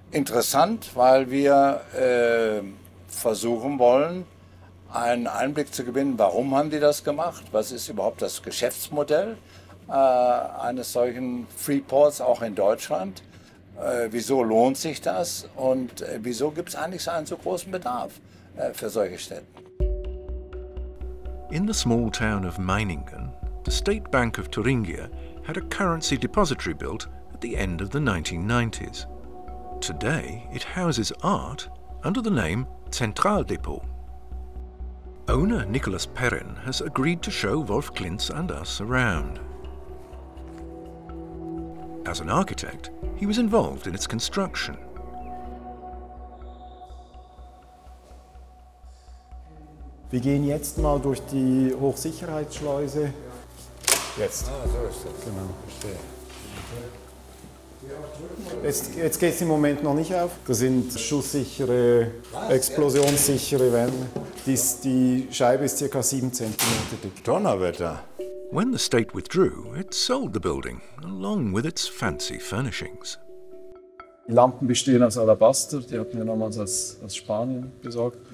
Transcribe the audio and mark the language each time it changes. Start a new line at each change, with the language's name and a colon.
German: Interessant, weil wir versuchen wollen, einen Einblick zu gewinnen, warum haben die das gemacht, was ist überhaupt das Geschäftsmodell eines solchen Freeports auch in Deutschland. Wieso lohnt sich das und wieso gibt es eigentlich so einen so großen Bedarf für solche Städte?
English: In the small town of Meiningen, the State Bank of Thuringia had a currency depository built at the end of the 1990s. Today it houses art under the name Zentraldepot. Owner Nicholas Perrin has agreed to show Wolf Klintz and us around. As an architect, he was involved in its construction.
German: Wir gehen jetzt mal durch die Hochsicherheitsschleuse. Jetzt. Ah, so ist das. Genau. Jetzt geht es im Moment noch nicht auf. Das sind schusssichere, explosionssichere Wände. Die Scheibe ist ca. 7 cm dick. Donnerwetter!
English: When the state withdrew, it sold the building, along with its fancy furnishings.
German: Die Lampen bestehen aus Alabaster, die hatten wir damals aus Spanien besorgt.